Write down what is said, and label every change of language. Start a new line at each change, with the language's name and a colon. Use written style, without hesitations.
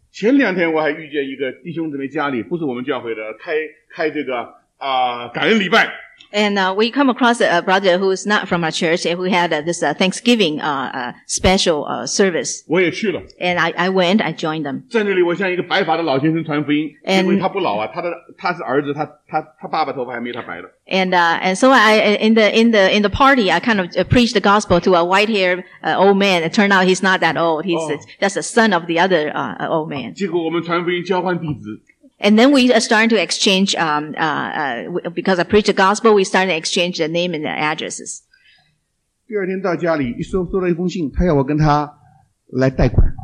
Chinese: 前两天我还遇见一个弟兄姊妹家里不是我们教会的，开这个感恩礼拜。
English: And we come across a brother who is not from our church and who had this Thanksgiving special service.
Chinese: 我也去了。
English: And I went, I joined them.
Chinese: 在那里我向一个白发的老先生传福音。
English: And,
Chinese: 因为他不老啊，他是儿子，他爸爸头发还没他白的。
English: And so I, in the party, I kind of preached the gospel to a white-haired old man. It turned out he's not that old. He's just a son of the other old man.
Chinese: 结果我们传福音交换地址。
English: And then we started to exchange, because I preached the gospel, we started to exchange the name and the addresses.
Chinese: 第二天到家里，收了一封信，他要我跟他来贷款。